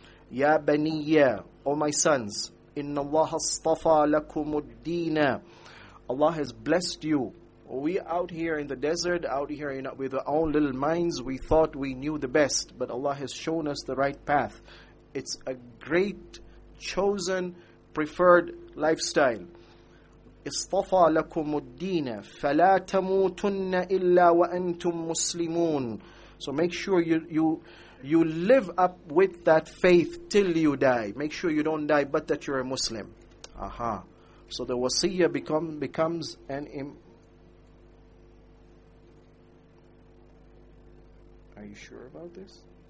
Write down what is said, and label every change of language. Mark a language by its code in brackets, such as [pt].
[ar] Ya Baniya, [en] O my sons, [ar] Inna Allah astafa lakum ad-deena. [en] Allah has blessed you. We out here in the desert, out here with our own little minds, we thought we knew the best, but Allah has shown us the right path. It's a great, chosen, preferred lifestyle. [ar] اصطفى لكم الدين فلا تموتن إلا وأنتم مسلمون. [en] So make sure you live up with that faith till you die. Make sure you don't die but that you're a Muslim. Aha. So the wasiyah becomes an are you sure about this?